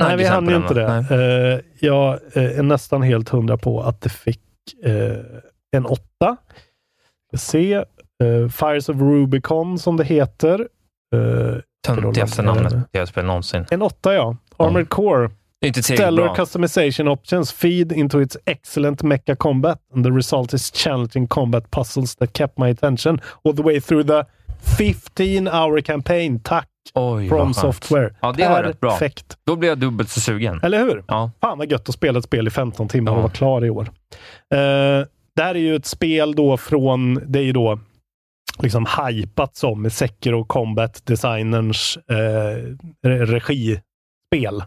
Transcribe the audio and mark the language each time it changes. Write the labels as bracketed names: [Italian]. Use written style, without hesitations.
[Swedish] Nej, vi hann inte det. Jag är nästan helt hundra på att det fick en 8. Se, Fires of Rubicon som det heter. Töntigaste namnet jag har spelat någonsin. En 8, ja. Armored Core. Inte Stellar bra. [English] Customization options feed into its excellent mecha combat and the result is challenging combat puzzles that kept my attention all the way through the 15-hour campaign. [Swedish] Tack. Oj, From Software. Ja, det var rätt bra. Perfekt. Då blir jag dubbelt så sugen. Eller hur? Ja. Fan vad gött att spela ett spel i 15 timmar och vara klar i år. Det här är ju ett spel då från, det är ju då liksom hypat som med Sekiro Combat Designers regispel.